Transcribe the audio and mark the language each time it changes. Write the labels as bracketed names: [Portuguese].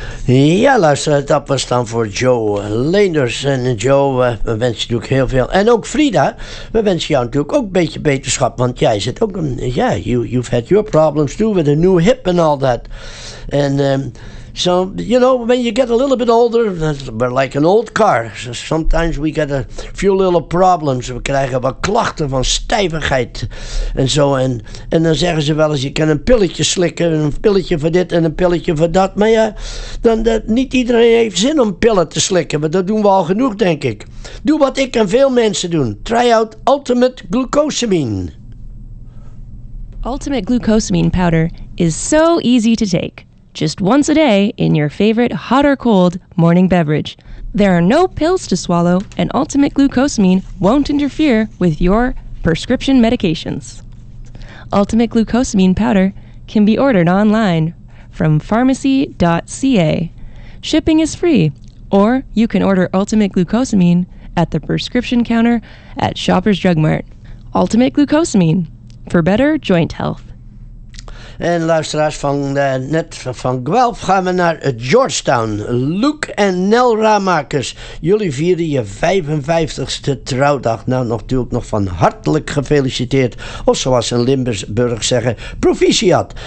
[Dutch] Ja, luister, dat was dan voor Joe Leenders. En Joe, we wensen je natuurlijk heel veel. En ook Frida, we wensen jou natuurlijk ook een beetje beterschap. Want jij zit ook, [English] you've had your problems too with a new hip and all that. And so, you know, when you get a little bit older, we're like an old car. So sometimes we get a few little problems. [Dutch] We krijgen wat klachten van stijvigheid en zo. En dan zeggen ze wel eens, je kan een pilletje slikken, een pilletje voor dit en een pilletje voor dat. Maar ja, niet iedereen heeft zin om pillen te slikken, maar dat doen we al genoeg, denk ik. Doe wat ik en veel mensen doen. [English] Try out Ultimate Glucosamine. Ultimate Glucosamine powder is so easy to take. Just once a day in your favorite hot or cold morning beverage. There are no pills to swallow, and Ultimate Glucosamine won't interfere with your prescription medications. Ultimate Glucosamine powder can be ordered online from pharmacy.ca. Shipping is free, or you can order Ultimate Glucosamine at the prescription counter at Shoppers Drug Mart. Ultimate Glucosamine, for better joint health. [Dutch] En luisteraars van net van Guelph gaan we naar Georgetown. Luke en Nel Ramakers, jullie vieren je 55ste trouwdag. Nou, natuurlijk nog van hartelijk gefeliciteerd. Of zoals in Limburg zeggen, proficiat.